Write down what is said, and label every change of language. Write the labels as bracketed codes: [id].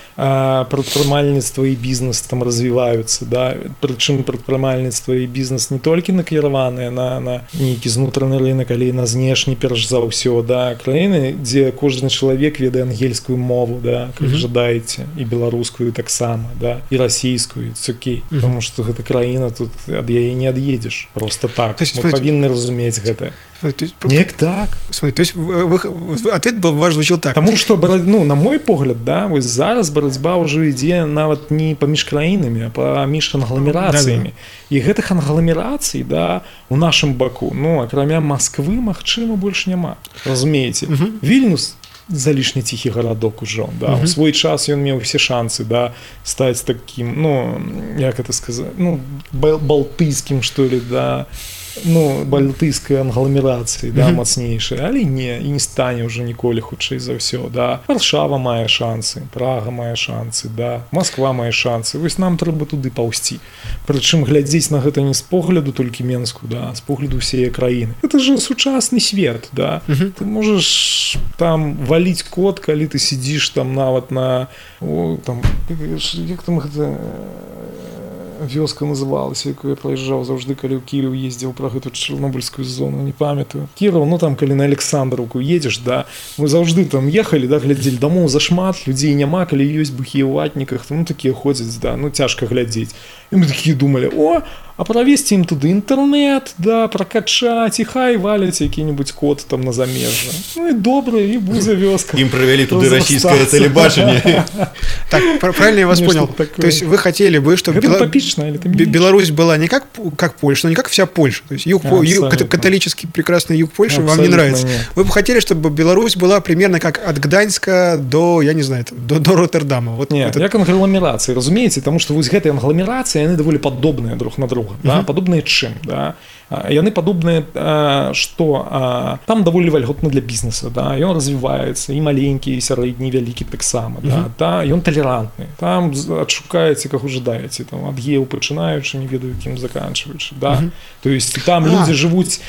[be] прадпрымальніцтва і бізнес там развіваюцца, да, прычым прадпрымальніцтва і бізнес не толькі накіраваныя на нейкі знутраны рынак, але і на знешні перш за ўсё, да, краіны, дзе кожны чалавек ведае ангельскую мову, да, калі жадаеце, і беларускую таксама, да, і расійскую, цукі, таму што гэта краіна, тут ад яе не ад'едзеш просто так. Мы павінны разумець гэта. Нек так. [ru] Смотри, то есть ответ был, ваш звучал так. Потому что, [be] ну, на мой погляд, да, вот зараз барацьба уже ідзе нават не паміж краінамі, а паміж англамерацыямі. І гэтых англамерацый, да, у нашым баку, ну, акрамя Москвы, магчыма, больш няма. Разумееце? Вільнюс залішне [ru] тихий городок уже, [be] да. У свой час ён меў все шансы, да, стаць таким, ну, як это сказаць, ну, балтыйским, что ли, да. Ну, балтыйская англамерацыя, да, мацнейшая, але не, і не стане ўжо ніколі хутчэй за ўсё, да. Варшава мае шансы, Прага мае шансы, да, Масква мае шансы. Вось нам трэба туды паўсці. Прычым глядзець на гэта не з погляду толькі Менску, да, з погляду ўсяе краіны. Гэта ж сучасны свет, да. Ты можаш там валіць кот, калі ты сядзіш там нават на, о, там, як там гэта вёска называлася, якую я праезжаў заўжды, калі ў Кірыў ездзіў пра гэту Чарнобыльскую зону, не памятаю. Кірыў, ну там, калі на Александраўку едзеш, да, мы заўжды там ехалі, да, глядзелі, дамоў зашмат, людзей няма, калі ёсць быхі ў ватніках, ну такія ходзяць, да, ну цяжка глядзець. І мы такія думалі, о, а правесці ім туды інтэрнэт, да, пракачаць, і хай валяць які-небудзь код там на замежжа. Ну і добра, і будзе вёска. Ім правялі туды расійскае тэлебачанне. [ru] Так, правильно я вас понял. То есть вы хотели бы, чтобы Беларусь была не как Польша, но не как вся Польша. То есть католический прекрасный юг Польши вам не нравится. Вы бы хотели, чтобы Беларусь была примерно как от Гданьска до, я не знаю, до Роттердама. Нет, как англомерации, разумеется, потому что вот эти англомерации, они довольно подобные друг на друга. Подобные чем, да? [be] Яны падобныя, што там даволі вальготна для бізнеса, да, ён развіваецца, і маленькі, і сярэдні, і вялікі таксама, да, да, ён талерантны. Там адшукаеце, каго жадаеце, там ад'еў пачынаючы, не ведаю, кім заканчваючы, да. То есть там людзі жывуць,